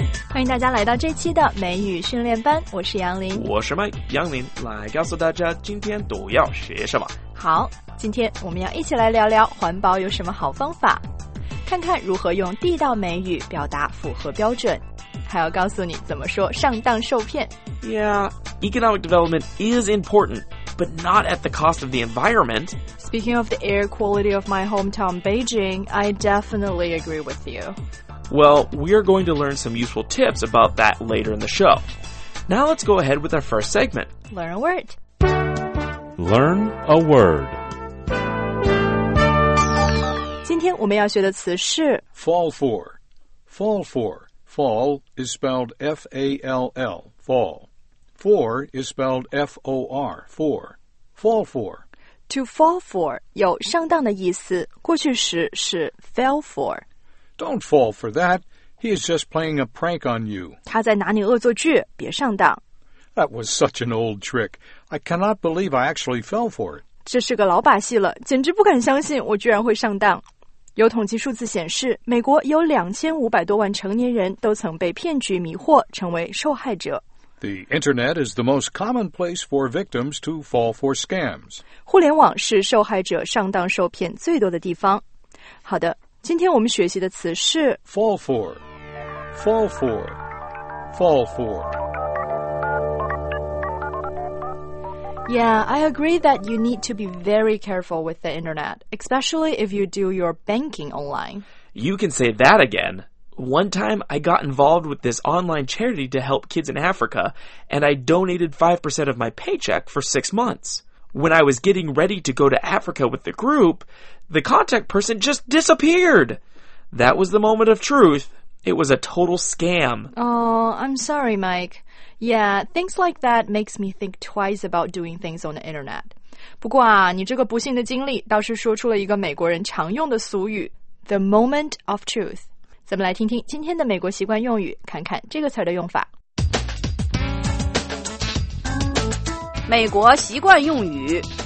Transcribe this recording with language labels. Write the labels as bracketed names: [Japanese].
[Chinese] 欢迎大家来到这期的美语训练班，我是杨林。我是麦，杨林来告诉大家今天都要学什么。好，今天我们要一起来聊聊环保有什么好方法，看看如何用地道美语表达符合标准，还要告诉你怎么说上当受骗。 [English] Yeah, economic development is important, but not at the cost of the environment. Speaking of the air quality of my hometown Beijing, I definitely agree with you. Well, we're going to learn some useful tips about that later in the show. Now let's go ahead with our first segment. Learn a word. Learn a word. [Chinese] 今天我们要学的词是 [English] Fall for. Fall for. Fall is spelled F-A-L-L, fall. For is spelled F-O-R, for. Fall for. [Chinese] To fall for 有上当的意思，过去时是 fell for. [English] Don't fall for that. He is just playing a prank on you. [Chinese] 他在拿你恶作剧，别上当。 [English] That was such an old trick. I cannot believe I actually fell for it. [Chinese] 这是个老把戏了，简直不敢相信我居然会上当。有统计数字显示，美国有2500多万成年人都曾被骗局迷惑，成为受害者。 [English] The internet is the most common place for victims to fall for scams. [Chinese] 互联网是受害者上当受骗最多的地方。好的，今天我们学习的词是 [English] fall for, fall for, fall for. Yeah, I agree that you need to be very careful with the internet, especially if you do your banking online. You can say that again. One time, I got involved with this online charity to help kids in Africa, and I donated 5% of my paycheck for 6 months. When I was getting ready to go to Africa with the group, the contact person just disappeared. That was the moment of truth. It was a total scam. Oh, I'm sorry, Mike. Yeah, things like that makes me think twice about doing things on the internet. [Chinese] 不过啊，你这个不幸的经历倒是说出了一个美国人常用的俗语 [English] The moment of truth. [Chinese] 咱们来听听今天的美国习惯用语，看看这个词的用法。美国习惯用语